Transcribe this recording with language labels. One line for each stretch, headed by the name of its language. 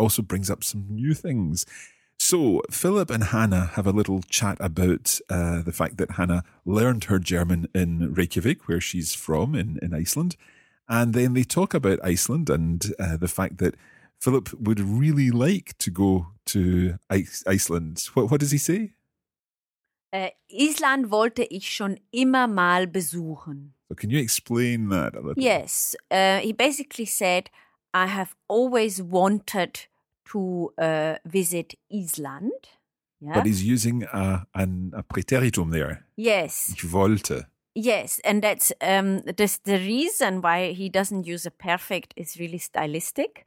English: also brings up some new things. So Philip and Hannah have a little chat about the fact that Hannah learned her German in Reykjavik, where she's from in Iceland. And then they talk about Iceland and the fact that Philip would really like to go to Iceland. What does he say?
German: Island wollte ich schon immer mal besuchen.
English: So can you explain that a little? Yes. He basically said, I have always wanted to visit Island. Yeah. But he's using a preteritum there. Yes.
German: Ich wollte.
English: Yes, and that's the reason why he doesn't use a perfect is really stylistic.